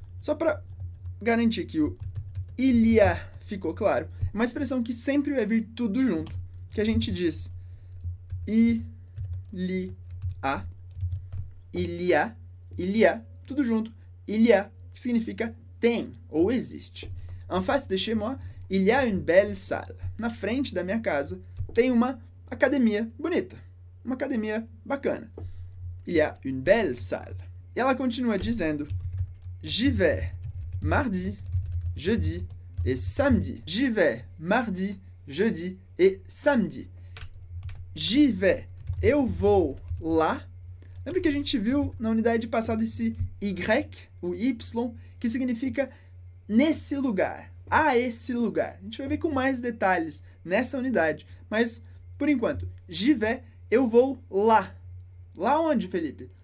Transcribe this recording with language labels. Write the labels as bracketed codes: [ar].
[pt] Só para garantir que o ilha ficou claro, é uma expressão que sempre vai vir tudo junto, que a gente diz ilia, ilia, ilia, tudo junto, ilia, que significa tem ou existe. [fr] En face de chez moi, il y a une belle salle. [pt] Na frente da minha casa, tem uma academia bonita. Uma academia bacana. [fr] Il y a une belle salle. [pt] E ela continua dizendo: [fr] j'y vais mardi, jeudi et samedi. J'y vais mardi, jeudi et samedi. J'y vais. [pt] Eu vou lá. Lembra que a gente viu na unidade passada esse Y, o Y, que significa nesse lugar, a esse lugar. A gente vai ver com mais detalhes nessa unidade. Mas, por enquanto, [fr] j'y vais, [pt] eu vou lá. Lá onde, Felipe?